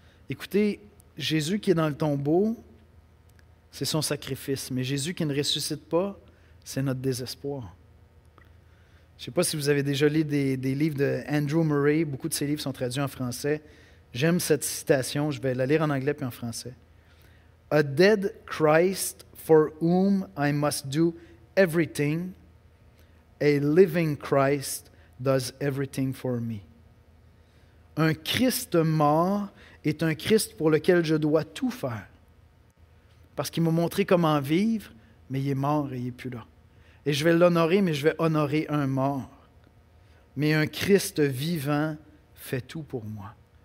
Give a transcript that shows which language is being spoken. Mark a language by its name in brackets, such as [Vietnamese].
[French] Écoutez, Jésus qui est dans le tombeau, c'est son sacrifice. Mais Jésus qui ne ressuscite pas, c'est notre désespoir. Je ne sais pas si vous avez déjà lu des livres de Andrew Murray. Beaucoup de ses livres sont traduits en français. J'aime cette citation. Je vais la lire en anglais puis en français. [English] a dead Christ for whom I must do everything, a living Christ does everything for me. [French] Un Christ mort est un Christ pour lequel je dois tout faire. Parce qu'il m'a montré comment vivre, mais il est mort et il n'est plus là. Et je vais l'honorer, mais je vais honorer un mort. Mais un Christ vivant fait tout pour moi.